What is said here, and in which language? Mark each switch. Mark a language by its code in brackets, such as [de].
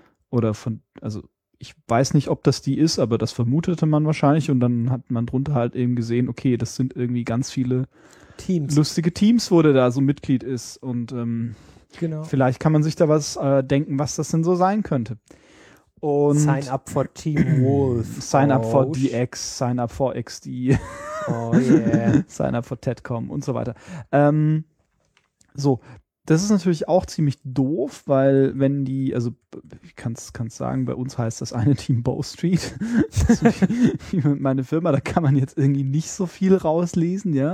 [de] Oder von, also ich weiß nicht, ob das die ist, aber das vermutete man wahrscheinlich. Und dann hat man drunter halt eben gesehen, okay, das sind irgendwie ganz viele Teams. Lustige Teams, wo der da so Mitglied ist. Und genau. Vielleicht kann man sich da was denken, was das denn so sein könnte. Und [en] sign up for Team Wolf. Sign up for DX, sign up for XD. Oh yeah. Sign up for TEDcom [de] und so weiter. So, das ist natürlich auch ziemlich doof, weil wenn die, also ich kann es sagen, bei uns heißt das eine Team Bow Street. Meine Firma, da kann man jetzt irgendwie nicht so viel rauslesen, ja.